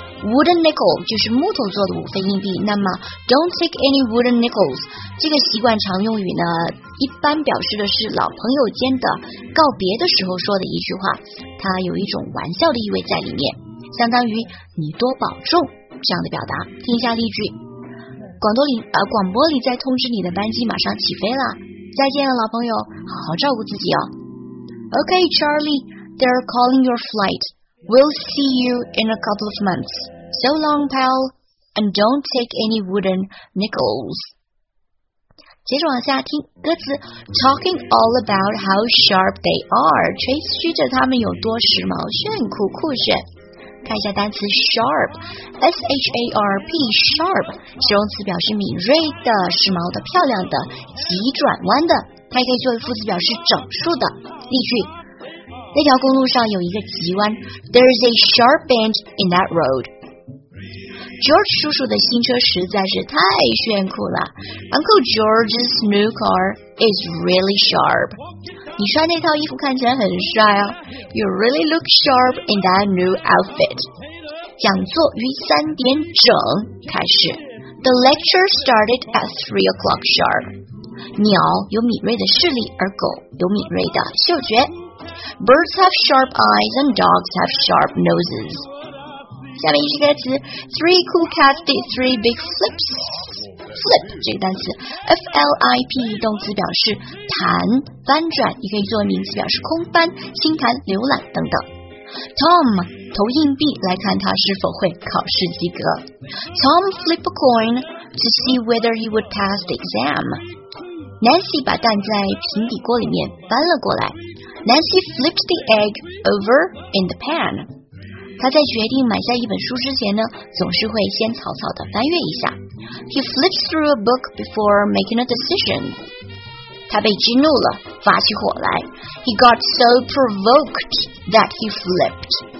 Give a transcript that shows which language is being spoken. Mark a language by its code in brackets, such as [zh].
[zh] Wooden nickel 就是木头做的五分硬币。那么 [en] Don't take any wooden nickels [zh] 这个习惯常用语呢，一般表示的是老朋友间的告别的时候说的一句话，它有一种玩笑的意味在里面，相当于你多保重这样的表达。听一下例句，广播里在通知你的班机马上起飞了，再见了老朋友，好好照顾自己哦。 [en] OK, Charlie, they're calling your flight. We'll see you in a couple of months. So long, pal, and don't take any wooden nickels. [zh] 接着往下听歌词， [en] Talking all about how sharp they are. [zh] 吹嘘着他们有多时髦，炫酷酷炫。看一下单词 sharp, S-H-A-R-P, sharp, 形容词，表示敏锐的、时髦的、漂亮的、急转弯的。它也可以作为副词，表示整数的。例句，那条公路上有一个急弯， [en] There is a sharp bend in that road. [zh] George 叔叔的新车实在是太炫酷了。 [en] Uncle George's new car is really sharp. [zh] 你穿那套衣服看起来很帅啊。 [en] You really look sharp in that new outfit. [zh] 讲座于三点整开始。 [en] The lecture started at 3 o'clock sharp. [zh] 鸟有敏锐的视力，而狗有敏锐的嗅觉。 [en] Birds have sharp eyes and dogs have sharp noses. [zh] 下面一句歌词 , [en] 3 cool cats did 3 big flips. [zh] Flip 这个单词 ,F-L-I-P 动词表示弹、翻转，也可以作为名词表示空翻、轻弹、浏览等等。 Tom 投硬币来看他是否会考试及格。 [en] Tom flipped a coin to see whether he would pass the exam. [zh] Nancy 把蛋在平底锅里面翻了过来。 [en] Nancy flipped the egg over in the pan. [zh] 他在决定买下一本书之前呢，总是会先草草地翻阅一下。 [en] He flips through a book before making a decision. [zh] 他被激怒了，发起火来。 [en] He got so provoked that he flipped.